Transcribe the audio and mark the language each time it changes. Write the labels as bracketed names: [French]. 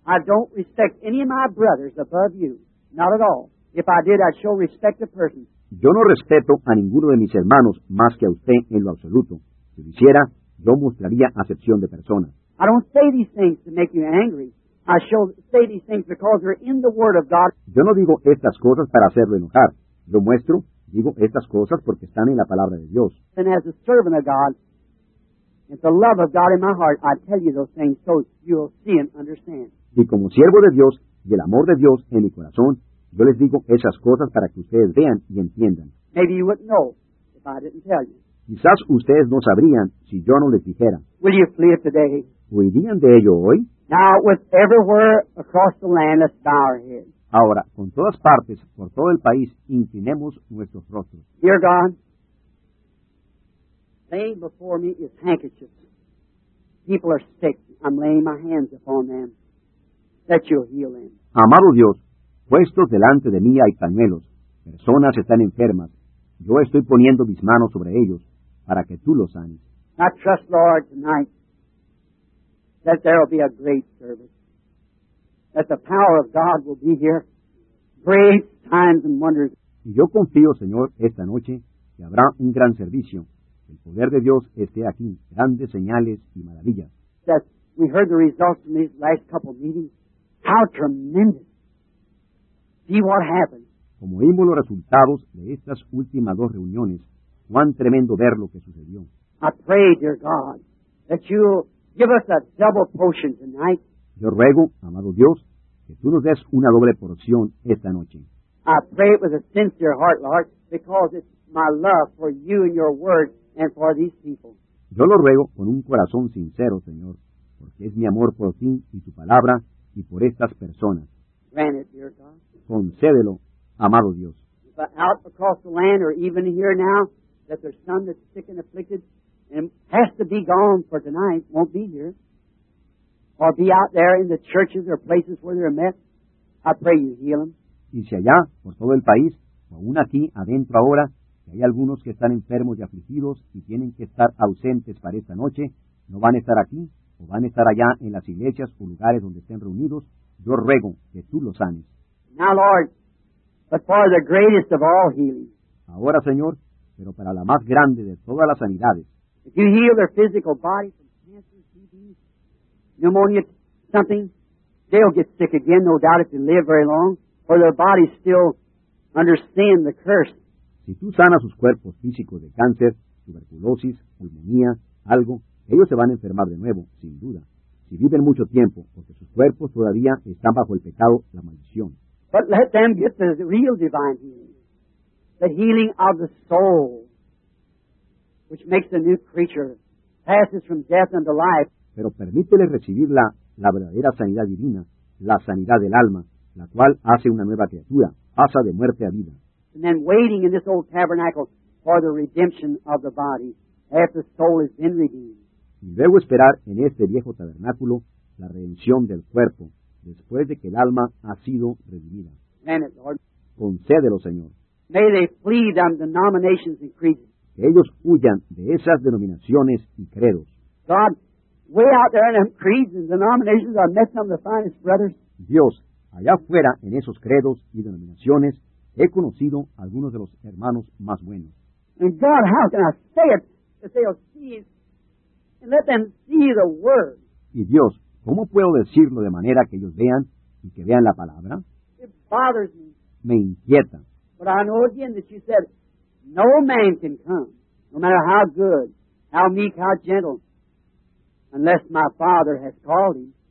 [English] I don't respect any of my brothers above you. Not at all. If I did, I'd show respect to persons. [Spanish] Yo no respeto a ninguno de mis hermanos más que a usted en lo absoluto. Si lo hiciera, yo mostraría acepción de persona. [English] I don't say these things to make you angry. I say these things because they're in the word of God. [Spanish] Yo no digo estas cosas para hacerlo enojar. Yo muestro, digo estas cosas porque están en la palabra de Dios. [English] And as a servant of God, it's the love of God in my heart, I tell you those things so you'll see and understand. [Spanish] Y como siervo de Dios y el amor de Dios en mi corazón, yo les digo esas cosas para que ustedes vean y entiendan. [English] Maybe you wouldn't know if I didn't tell you. [Spanish] Quizás ustedes no sabrían si yo no les dijera. [English] Will you flee it today? [Spanish] ¿Huirían de ello hoy? [English] Now, with everywhere across the land, let's bow our heads. [Spanish] Ahora, con todas partes, por todo el país, inclinemos nuestros rostros. [English] Dear God, laying before me is handkerchiefs. People are sick. I'm laying my hands upon them. That you'll heal them. [Spanish] Amado Dios, puestos delante de mí hay pañuelos. Personas están enfermas. Yo estoy poniendo mis manos sobre ellos para que tú los sanes. [English] I trust, Lord, tonight that there will be a great service. That the power of God will be here. Great signs and wonders. [Spanish] Y yo confío, Señor, esta noche que habrá un gran servicio. El poder de Dios esté aquí. Grandes señales y maravillas. [English] That we heard the results from these last couple meetings. How tremendous. See what happened. [Spanish] Como vimos los resultados de estas últimas dos reuniones, cuán tremendo ver lo que sucedió. [English] I pray, dear God, that you Give us a double portion tonight. [Spanish] Yo ruego, amado Dios, que tú nos des una doble porción esta noche. [English] I pray it with a sincere heart, Lord, because it's my love for you and your word and for these people. [Spanish] Yo lo ruego con un corazón sincero, Señor, porque es mi amor por ti y tu palabra y por estas personas. [English] Grant it, dear God. [Spanish] Concédelo, amado Dios. [English] But out across the land or even here now, that there's some that's sick and afflicted and has to be gone for tonight, won't be here, or be out there in the churches or places where they're met, I pray you heal them. [Spanish] Y si allá, por todo el país, o aún aquí, adentro ahora, que hay algunos que están enfermos y afligidos y tienen que estar ausentes para esta noche, no van a estar aquí, o van a estar allá en las iglesias o lugares donde estén reunidos, yo ruego que tú los sanes. [English] Now, Lord, but for the greatest of all healings. [Spanish] Ahora, Señor, pero para la más grande de todas las sanidades. [English] If you heal their physical body from cancer, TB, pneumonia, something, they'll get sick again, no doubt, if they live very long. Or their bodies still understand the curse. [Spanish] Si tú sanas sus cuerpos físicos de cáncer, tuberculosis, pulmonía, algo, ellos se van a enfermar de nuevo, sin duda. Si viven mucho tiempo, porque sus cuerpos todavía están bajo el pecado, la maldición. [English] But let them get the real divine healing. The healing of the soul, which makes a new creature, passes from death unto life. [Spanish] Pero permítele recibir la verdadera sanidad divina, la sanidad del alma, la cual hace una nueva criatura, pasa de muerte a vida. [English] And then waiting in this old tabernacle for the redemption of the body, as the soul has been redeemed. [Spanish] Y luego esperar en este viejo tabernáculo la redención del cuerpo, después de que el alma ha sido redimida. [English] Grant it, Lord. [Spanish] Concédelo, Señor. [English] May they flee them denominations and creeds. [Spanish] Que ellos huyan de esas denominaciones y credos. [English] God, way out there in them creeds and denominations are met some of the finest brothers. [Spanish] Dios, allá afuera, en esos credos y denominaciones, he conocido a algunos de los hermanos más buenos. [English] And God, how can I say it that they'll see it and let them see the word? [Spanish] Y Dios, ¿cómo puedo decirlo de manera que ellos vean y que vean la palabra? [English] It bothers me. [Spanish] Me inquieta. [English] But I know again that you said, no man can come, no matter how good, how meek, how gentle, unless my Father has called him.